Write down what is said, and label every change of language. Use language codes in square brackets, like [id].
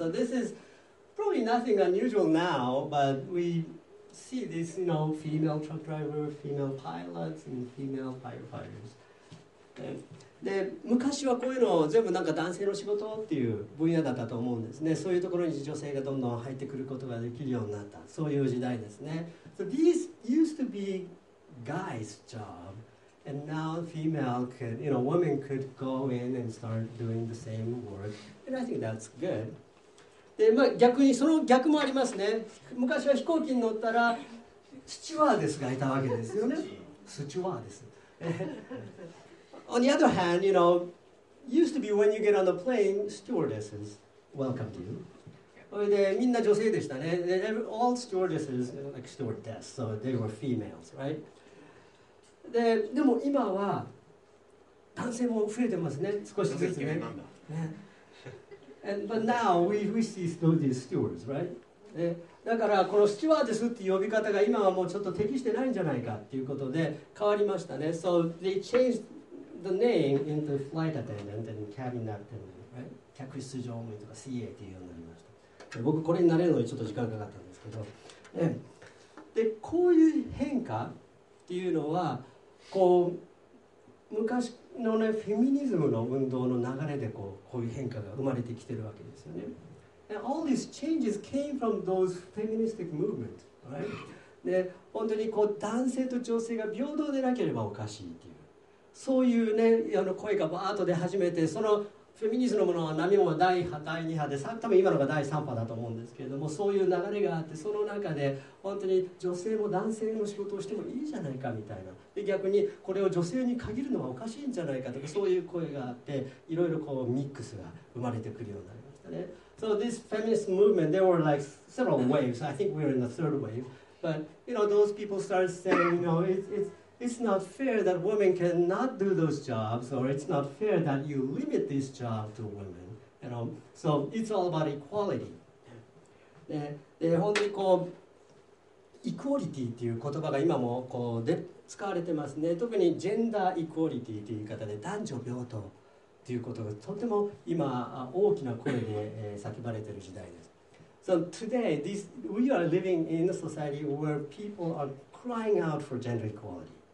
[en] So this is probably nothing unusual now, but we see this, you know, female truck driver, female pilots, and female firefighters. [ja] で、昔はこういうのを全部なんか男性の仕事っていう分野だったと思うんですね。そういうところに女性がどんどん入ってくることができるようになった。そういう時代ですね。 [en] So these used to be... guy's job, and now female could, you know, women could go in and start doing the same work, and I think that's good. [ja] で、まあ逆にその逆もありますね。昔は飛行機に乗ったらスチュワーデスがいたわけですよね。スチュワーデス。 [en] On the other hand, you know, used to be when you get on the plane, stewardesses welcome to you. [ja] それでみんな女性でしたね。 [en] All stewardesses, like stewardess, so they were females, right? [ja] でも今は男性も増えてますね、少しずつね。 [en] And, but now we see still these stewards, right? [ja] だからこのスチュワーデスっていう呼び方が今はもうちょっと適してないんじゃないかっていうことで変わりましたね。 [en] So they changed the name into flight attendant and cabin attendant, right? [ja] 客室乗務員とか CA っていうようになりました。僕これになれるのにちょっと時間かかったんですけど、ね、でこういう変化っていうのはこう昔のねフェミニズムの運動の流れでこういう変化が生まれてきてるわけですよね。 [en] And all these changes came from those feministic movements, right? [ja] で本当にこう男性と女性が平等でなければおかしいっていう、そういうね、あの声がバーッと出始めて、そのフェミニズムのものは波も第1波、第2波で、多分今のが第3波だと思うんですけれども、そういう流れがあって、その中で本当に女性も男性の仕事をしてもいいじゃないかみたいな、で逆にこれを女性に限るのはおかしいんじゃないかとか、そういう声があって、いろいろこうミックスが生まれてくるようになりましたね。 [en] So this feminist movement, there were like several waves. I think we're in the third wave. But, you know, those people started saying, you know, It's not fair that women cannot do those jobs, or it's not fair that you limit this job to women. You know, so it's all about equality. [ja] で本当にこう、イクオリティっていう言葉が今もこうで使われてますね。特にジェンダーイクオリティという言い方で、男女平等っていうことがとても今大きな声で叫ばれてる時代です。 [en] So today, we are living in a society where people are crying out for gender equality.